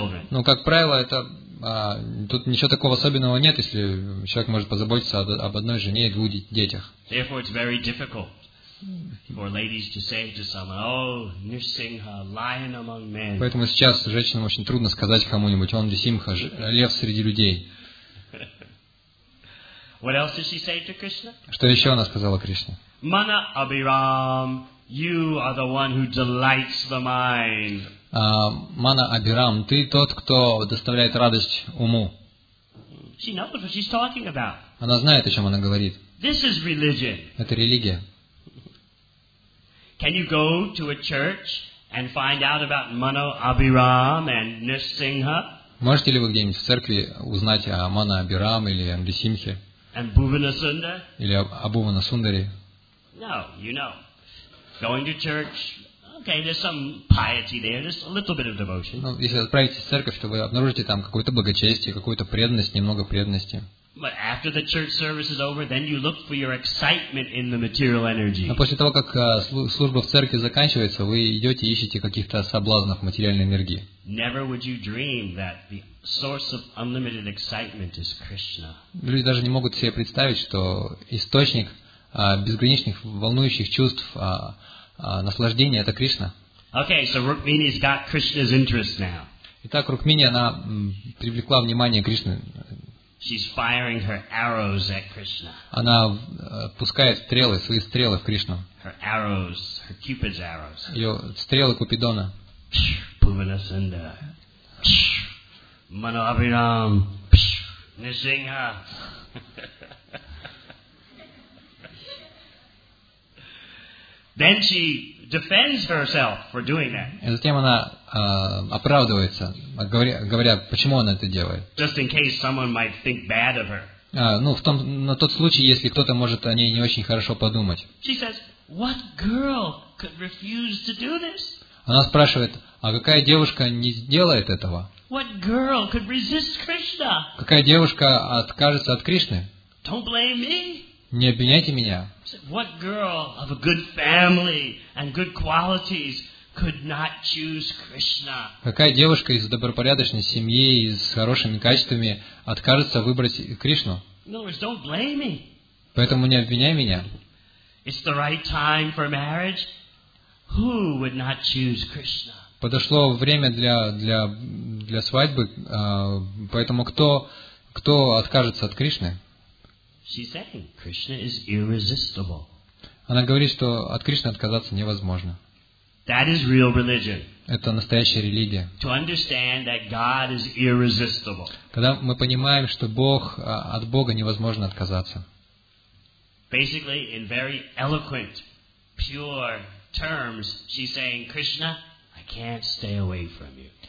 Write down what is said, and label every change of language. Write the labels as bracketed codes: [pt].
[ru] Ну, как правило, это тут ничего такого особенного нет, если человек может позаботиться об одной жене и двух детях. [en] Therefore, it's very difficult for ladies to say to someone, "Oh, Nrisimha, lion among men." [ru] Поэтому сейчас женщинам очень трудно сказать кому-нибудь, он Нрисимха, лев среди людей. [en] What else did she say to Krishna? [ru] Что еще она сказала Кришне? [en] Mana Abhiram, you are the one who delights the mind. [ru] Mana Abhiram, ты тот, кто доставляет радость уму. [en] She knows what she's talking about. [ru] Она знает, о чем она говорит. [en] This is religion. [ru] Это религия. [en] Can you go to a church and find out about Mana Abhiram and Nrisimha? [ru] Можете ли вы где-нибудь в церкви узнать о Мана Абхирам или Нрисимхе? [en] And Bhuvanasundara? [ru] Или о Бхувана-сундаре? [en] No, you know. Going to church, okay, there's some piety there, just a little bit of devotion. [ru] Ну, если отправитесь в церковь, то вы обнаружите там какое-то благочестие, какую-то преданность, немного преданности. [en] But after the church service is over, then you look for your excitement in the material energy. [ru] Но после того, как служба в церкви заканчивается, вы идете и ищете каких-то соблазнов материальной энергии. [en] Never would you dream that the source of unlimited excitement is Krishna. [ru] Люди даже не могут себе представить, что источник безграничных волнующих чувств наслаждения это Кришна. [en] Okay, so Rukmini's got Krishna's interest now. [ru] Итак, Рукмини она привлекла внимание Кришны. [en] She's firing her arrows at Krishna. [ru] Она пускает стрелы, свои стрелы в Кришну. [en] Her arrows, her Cupid's arrows. [ru] Ее стрелы Купидона. [en] Bhuvanasundara. Mano Abhinam. Nisinga. Then she defends herself for doing that. [ru] И затем она оправдывается, говоря, почему она это делает. [en] Just in case someone might think bad of her. [ru] Ну, в том, на тот случай, если кто-то может о ней не очень хорошо подумать. [en] She says, "What girl could refuse to do this?" [ru] Она спрашивает, а какая девушка не сделает этого? [en] What girl could resist Krishna? [ru] Какая девушка откажется от Кришны? [en] Don't blame me. [ru] Не обвиняйте меня. [en] What girl of a good family and good qualities could not choose Krishna? [ru] Какая девушка из добропорядочной семьи и с хорошими качествами откажется выбрать Кришну? [en] No, don't blame me. [ru] Поэтому не обвиняй меня. [en] It's the right time for marriage. Who would not choose Krishna? [ru] Подошло время для свадьбы, поэтому кто откажется от Кришны? [en] She's saying Krishna is irresistible. [ru] Она говорит, что от Кришны отказаться невозможно. [en] That is real religion. [ru] Это настоящая религия. [en] To understand that God is irresistible. [ru] Когда мы понимаем, что Бог, от Бога невозможно отказаться. [en] Basically, in very eloquent, pure terms, she's saying, Krishna, I can't stay away from you.